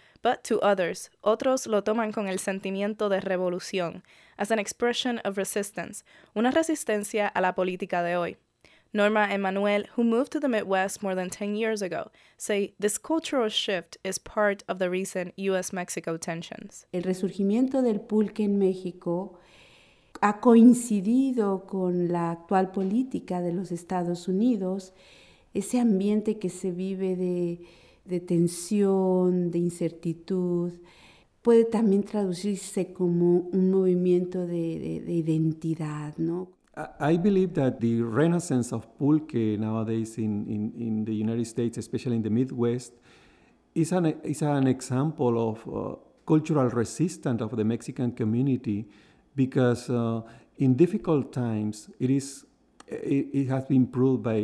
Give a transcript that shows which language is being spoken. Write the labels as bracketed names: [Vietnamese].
[English] But to others, [Spanish] otros lo toman con el sentimiento de revolución, [English] as an expression of resistance, [Spanish] una resistencia a la política de hoy. [English] Norma and Manuel, who moved to the Midwest more than 10 years ago, say this cultural shift is part of the recent U.S.-Mexico tensions. [Spanish] El resurgimiento del pulque en México ha coincidido con la actual política de los Estados Unidos, ese ambiente que se vive de tensión, de incertidumbre. Puede también traducirse como un movimiento de identidad, ¿no? [English] I believe that the renaissance of pulque nowadays in the United States, especially in the Midwest, is an example of cultural resistance of the Mexican community, because in difficult times it has been proved